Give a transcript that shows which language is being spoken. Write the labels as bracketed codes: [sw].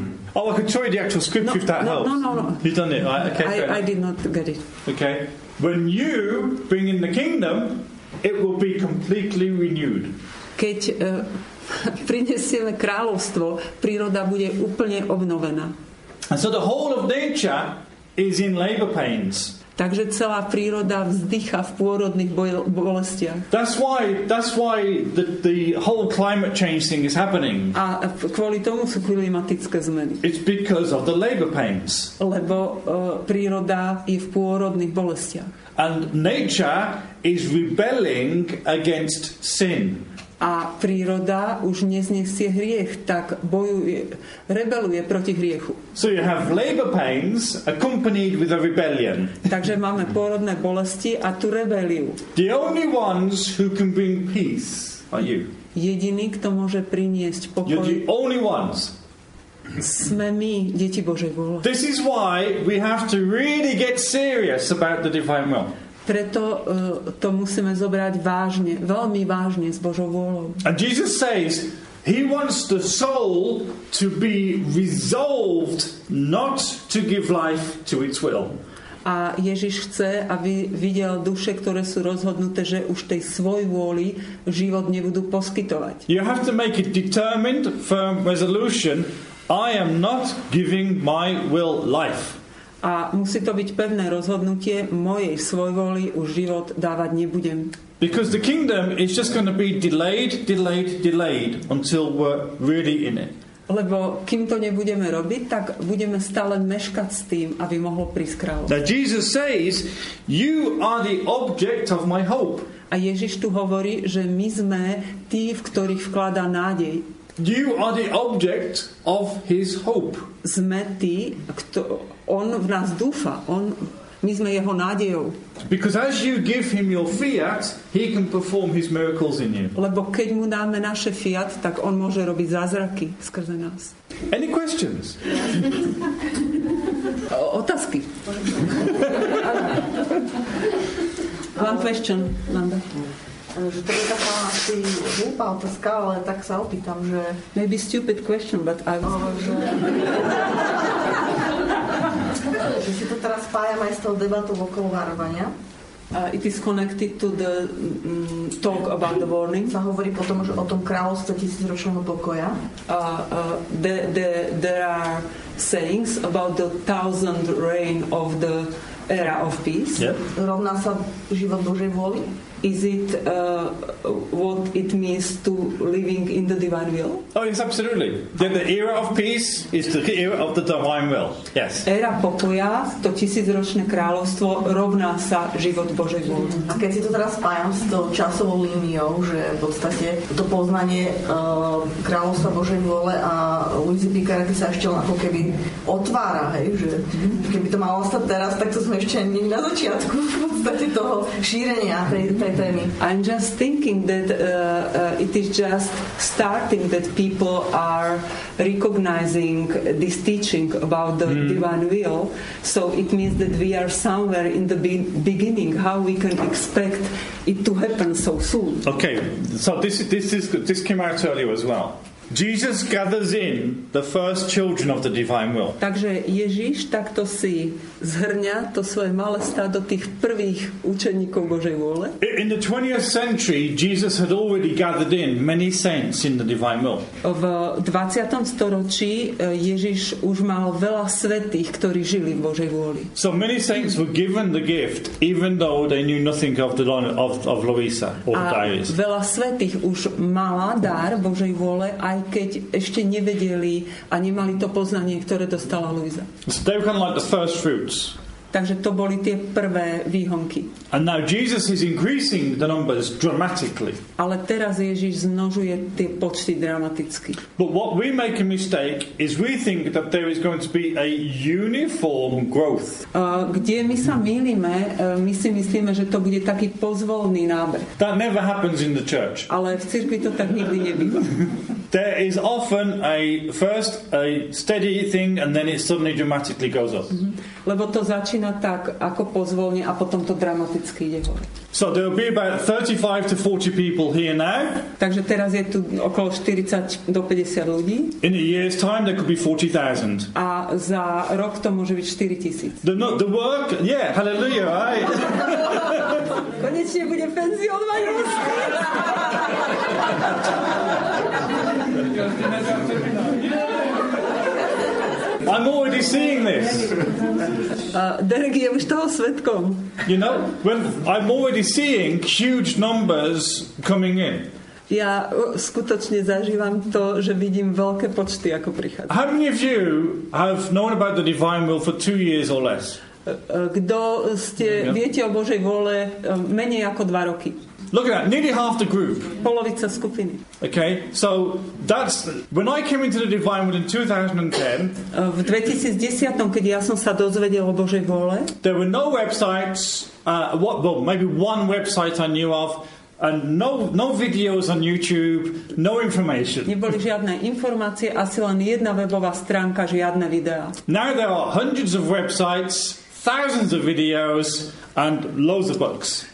[en] Oh, I could show you the actual scripture if that helps. No. You've done it, right? Okay, I did not get it. Okay. When you bring in the kingdom, it will be completely renewed. [sk] Keď prinesieme kráľovstvo, príroda bude úplne obnovená. [en] And so the whole of nature is in labor pains. [sk] Takže celá príroda vzdycha v pôrodných bolestiach. [en] That's why the whole climate change thing is happening. [sk] A kvôli tomu sú klimatické zmeny. [en] It's because of the labor pains. [sk] Lebo príroda je v pôrodných bolestiach. [en] And nature is rebelling against sin. [sk] A príroda už neznesie hriech, tak bojuje, rebeluje proti hriechu. [en] So you have labor pains accompanied with a rebellion. [sk] Takže máme pôrodné bolesti a tu rebeliu. [en] The only ones who can bring peace are you. [sk] Jediný, kto môže priniesť pokoj. [en] You're the only ones. [sk] Sme my, deti Božej vôle. [en] This is why we have to really get serious about the divine will. [sk] Preto to musíme zobrať vážne, veľmi vážne s Božou vôľou. [en] And Jesus says he wants the soul to be resolved not to give life to its will. [sk] A Ježiš chce, aby videl duše, ktoré sú rozhodnuté, že už tej svoj vôli život nebudú poskytovať. [en] You have to make a determined, firm resolution. I am not giving my will life. [sk] A musí to byť pevné rozhodnutie, mojej svojvôli už život dávať nebudem. [en] Because the kingdom is just going to be delayed until we're really in it. [sk] Lebo kým to nebudeme robiť, tak budeme stále meškať s tým, aby mohlo prísť kráľovstvo. [en] Now Jesus says, you are the object of my hope. [sk] A Ježiš tu hovorí, že my sme tí, v ktorých vkladá nádej. [en] You are the object of his hope. [sk] Sme tí, kto, on v nás dúfa. On, my sme jeho nádejou. [en] Because as you give him your fiat, he can perform his miracles in you. [sk] Lebo keď mu dáme naše fiat, tak on môže robiť zázraky skrze nás. [en] Any questions? [sk] Otázky. [en] One question, Landa. [sk] Že to je taká asi hlúpa otázka, ale tak sa opýtam, že... [en] Maybe stupid question, but I was... [sk] že si to teraz spájam aj s tou debatou okolo varovania. [en] It is connected to the talk about the warning. [sk] Sa hovorí potom, že o tom kráľovstve tisícročného pokoja. [en] There are sayings about the thousand reign of the era of peace. Yep. [sk] Rovná sa život Božej vôli? [en] Is it what it means to living in the divine will? Oh, yes, absolutely. The era of peace is the era of the divine will. Yes. [sk] Era pokoja, to tisícročné kráľovstvo, rovná sa život Božej vôle. A keď si to teraz spájam s tou časovou líniou, že v podstate to poznanie kráľovstva Božej vôle a Luisi Picaretti sa ešte ako keby otvára, hej, že keby to malo stať teraz, tak to sme ešte nie na začiatku v podstate toho šírenia [en] I'm just thinking that it is just starting that people are recognizing this teaching about the divine will. So it means that we are somewhere in the beginning. How we can expect it to happen so soon? Okay, so this came out earlier as well. Jesus gathers in the first children of the divine will. [sk] Takže Ježiš takto si zhrňa to svoje malé stádo tých prvých učeníkov Božej vôle. [en] In the 20th century, Jesus had already gathered in many saints in the divine will. [sk] V 20. storočí Ježiš už mal veľa svätých, ktorí žili v Božej vôli. [en] So many saints were given the gift even though they knew nothing of the don of Luisa or the Dies. [sk] A veľa svätých už mala dar Božej vôle aj keď ešte nevedeli a nemali to poznanie, ktoré dostala Luisa. [en] So they were kind of like the first fruits. [sk] Takže to boli tie prvé výhonky. [en] And now Jesus is increasing the numbers dramatically. [sk] Ale teraz Ježiš zmnožuje tie počty dramaticky. [en] But what we make a mistake is we think that there is going to be a uniform growth. [sk] Kde my sa mýlime, my si myslíme, že to bude taký pozvolný nábeh. [en] That never happens in the church. [sk] Ale v cirkvi to tak nikdy nebýva. [en] There is often a steady thing and then it suddenly dramatically goes up. [sk] Lebo to začína tak, ako pozvolne a potom to dramaticky ide hore. [en] So there will be about 35 to 40 people here now. [sk] Takže teraz je tu okolo 40 do 50 ľudí. [en] In a year's time there could be 40,000. [sk] A za rok to môže byť 4,000. [en] The work? Yeah, hallelujah, right? [sk] Konečne bude penzión v Rusku. [en] I'm already seeing this. [sk] Derek je už toho svedkom. [en] You know, when I'm already seeing huge numbers coming in. [sk] Ja skutočne zažívam to, že vidím veľké počty ako prichádzajú. [en] How many of you have known about the divine will for 2 years or less? [sk] Kto ste viete o Božej vôle menej ako 2 roky? [en] Look at that, nearly half the group. [sk] Polovica skupiny. [en] Okay, so that's... When I came into the divine world in 2010... [sk] V 2010, keď ja som sa dozvedel o Božej vôle... [en] There were no websites, maybe one website I knew of, and no videos on YouTube, no information. [sk] Neboli žiadne informácie, asi len jedna webová stránka, žiadne videá. [en] Now there are hundreds of websites, thousands of videos, and loads of books.